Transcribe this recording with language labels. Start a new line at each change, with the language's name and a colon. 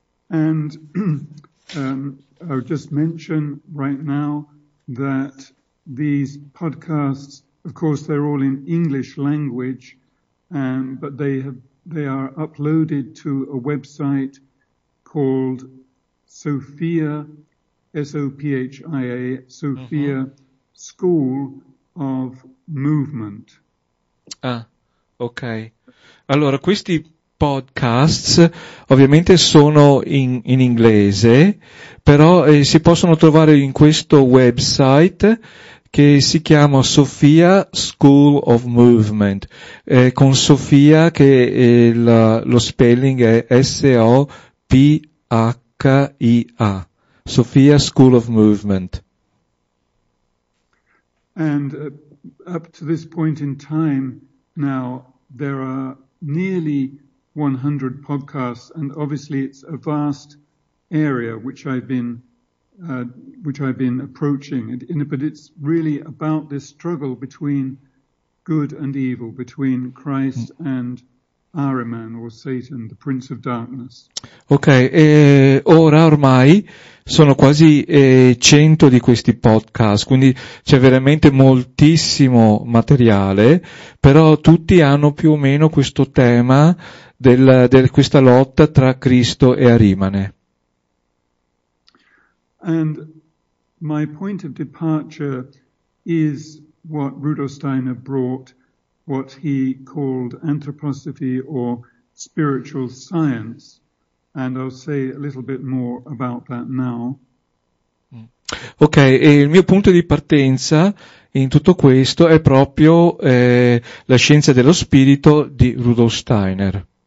English: And I'll just mention right now that these podcasts, of course, they're all in English language, but they are uploaded to a website called Sophia, S-O-P-H-I-A, Sophia School of Movement. Ah, okay.
Italian: Allora, questi podcasts ovviamente sono in inglese, però si possono trovare in questo website che si chiama Sophia School of Movement, con Sophia che lo spelling è S-O-P-H-I-A, Sophia School of Movement.
English: And up to this point in time now there are nearly 100 podcasts, and obviously it's a vast area which I've been approaching, but it's really about this struggle between good and evil, between Christ and Ahriman or Satan, the prince of darkness.
Italian: Ok, ora ormai sono quasi 100 di questi podcast, quindi c'è veramente moltissimo materiale, però tutti hanno più o meno questo tema di questa lotta tra Cristo e Arimane.
English: And my point of departure is what Rudolf Steiner brought, what he called anthroposophy or spiritual science, and I'll say a little bit more about that now.
Italian: Ok, e il mio punto di partenza in tutto questo è proprio la scienza dello spirito di Rudolf Steiner.